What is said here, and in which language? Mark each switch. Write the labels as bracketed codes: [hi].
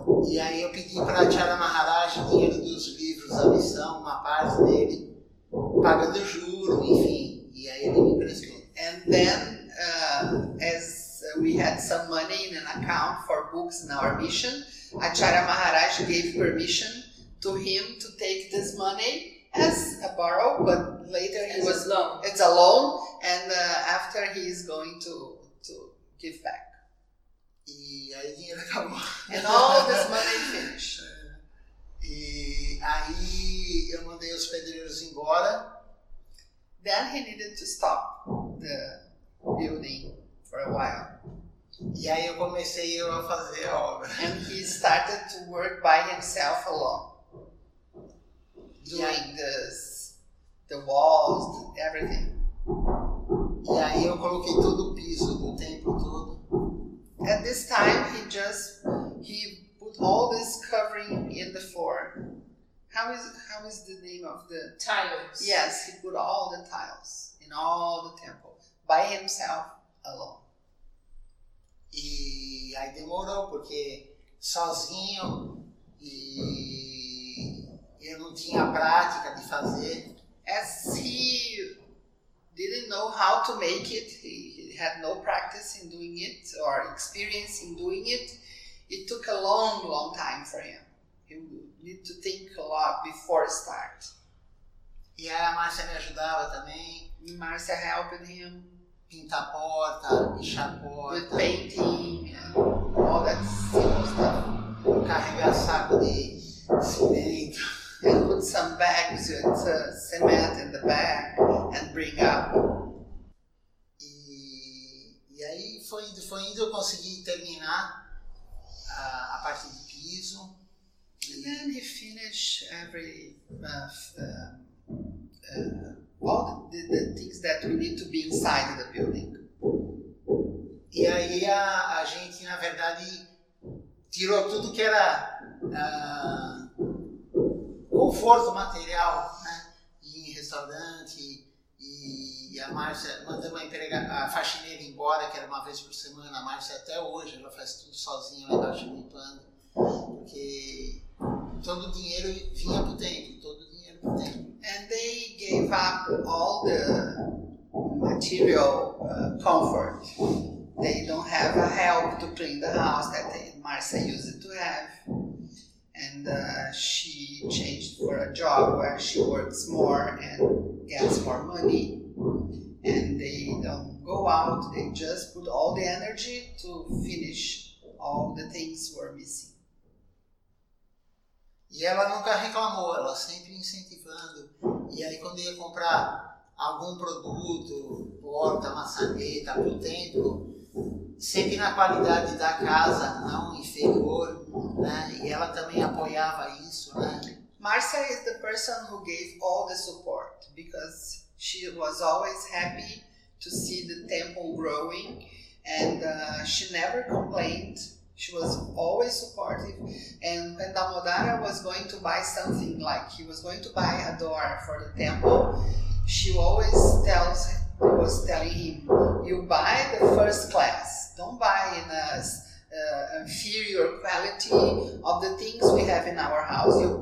[pt] E aí eu pedi para a Tiara Maharaj dinheiro dos livros, a missão, uma parte dele, pagando juro, enfim. E aí ele me emprestou. [en] And then, as we had some money in an account for books in our mission, a Tiara Maharaj gave permission to him to take this money as a borrow, but later he was loan. It's a loan, and after he is going to give back. [pt] E aí o dinheiro acabou. [en] And all this money finished. [pt] E aí eu mandei os pedreiros embora. [en] Then he needed to stop the building for a while. [pt] E aí eu comecei a fazer a obra. [en] And he started to work by himself alone. Doing this, the walls, everything. [pt] E aí eu coloquei todo o piso do templo todo. [en] At this time he put all this covering in the floor. How is the name of the tiles? Yes, he put all the tiles in all the temple by himself alone. [pt] E aí demorou, porque sozinho e eu não tinha prática de fazer. [en] As he didn't know how to make it, he had no practice in doing it or experience in doing it, it took a long, long time for him. He would need to think a lot before start. [pt] E aí a Márcia me ajudava também. [en] E Márcia helping him. [pt] Pintar porta, lixar porta. [en] With painting, all that simple stuff. [pt] Carregar saco de cimento. [en] And put some bags with cement in the bag and bring up. [pt] E aí foi indo, eu consegui terminar a parte de piso. [en] And then he finished every all the things that we need to be inside the building. [pt] E aí a gente, na verdade, tirou tudo que era conforto material, né? E em restaurante, e a Márcia, mandamos a faxineira embora, que era uma vez por semana. A Márcia até hoje, ela faz tudo sozinha lá embaixo, limpando. Porque todo o dinheiro vinha pro tempo, todo o dinheiro pro tempo. [en] And they gave up all the material comfort. They don't have a help to clean the house that Marcia used to have. And she changed for a job where she works more and gets more money. And they don't go out, they just put all the energy to finish all the things were missing. [pt] E ela nunca reclamou, ela sempre incentivando. E aí quando ia comprar algum produto, porta, maçaneta, pro templo, sempre na qualidade da casa, não inferior, né? E ela também apoiava isso, né? [en] Marcia is the person who gave all the support, because she was always happy to see the temple growing, and she never complained. She was always supportive, and when Damodara was going to buy something, like he was going to buy a door for the temple, she always was telling him, you buy the first class, don't buy in an inferior quality of the things we have in our house.